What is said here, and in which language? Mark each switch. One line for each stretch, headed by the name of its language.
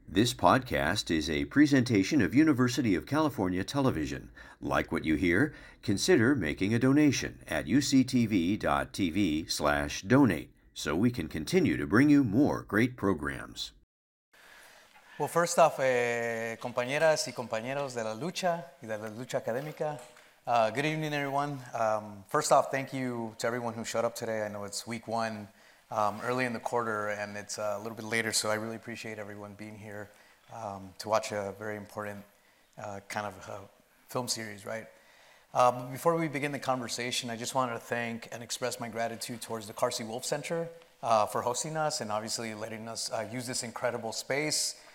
English: This podcast is a presentation of University of California Television. Like what you hear? Consider making a donation at uctv.tv/donate so we can continue to bring you more great programs. Well, first off,
Spanish: compañeras y compañeros de la lucha y de la lucha académica,
English: good evening, everyone. First off, thank you to everyone who showed up today. I know it's week one. Early in the quarter, and it's a little bit later, so I really appreciate everyone being here to watch a very important kind of a film series, right? Before we begin the conversation, I just wanted to thank and express my gratitude towards the Carsey Wolf Center for hosting us and obviously letting us use this incredible space.